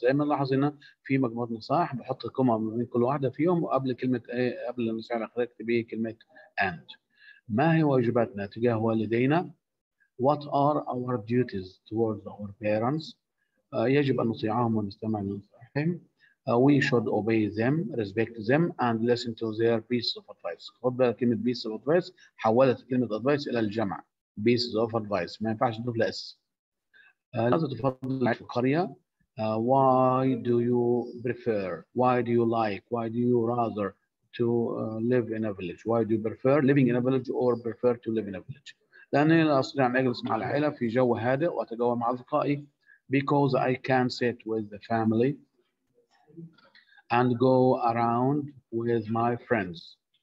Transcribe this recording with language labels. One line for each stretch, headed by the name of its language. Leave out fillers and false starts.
Arabic: زي ما نلاحظ هنا في مجموعة نصائح بحط كومة من كل واحدة فيهم وقبل كلمة قبل النصيحة الأخيرة اكتب كلمة and. ما هي واجباتنا تجاه والدينا؟
English: What are our duties towards our parents؟
Arabic: يجب أن نطيعهم ونستمع لنصائحهم.
English: We should obey them, respect them, and listen to their pieces of advice.
Arabic: خد بالك كلمة
English: pieces of advice
Arabic: حولت كلمة advice إلى الجمع.
English: Pieces of advice
Arabic: ما ينفعش تضيف لها إس. لماذا تفضل عيش في القرية؟
English: Why do you prefer? Why do you like? Why do you rather to live in a village? Why do you prefer living in a village or prefer to live in a village?
Arabic: لأنني لا أستطيع أن أجلس مع العائلة في جو هادئ وأتجول مع أصدقائي.
English: Because I can sit with the family and go around with my friends.